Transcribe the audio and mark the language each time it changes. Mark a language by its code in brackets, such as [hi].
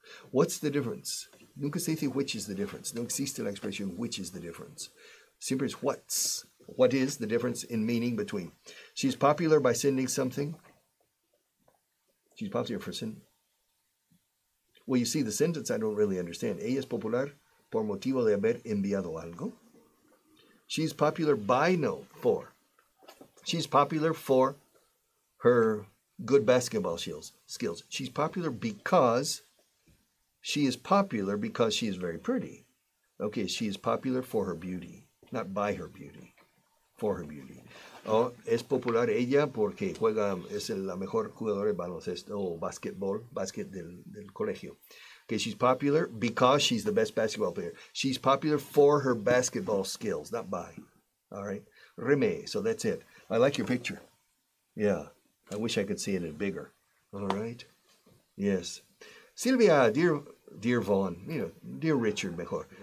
[en] What's the difference? [es] Nunca se dice [en] which is the difference. [es] No existe la expresión [en] which is the difference. [es] Siempre es [en] what's. What is the difference in meaning between? She's popular by sending something. She's popular for sin. Well, you see the sentence, I don't really understand. [es] Ella es popular por motivo de haber enviado algo. [en] She's popular by, no, for. She's popular for her good basketball skills. She's popular because she is popular because she is very pretty. Okay, she is popular for her beauty, not by her beauty. For her beauty. [es] Es popular ella porque juega, es la mejor jugadora de baloncesto o basketball, básquet del colegio. [en] Okay, she's popular because she's the best basketball player. She's popular for her basketball skills, not by. All right. Rime, so that's it. I like your picture. Yeah. I wish I could see it bigger. All right. Yes. Silvia, dear Vaughan, you know, dear Richard, mejor.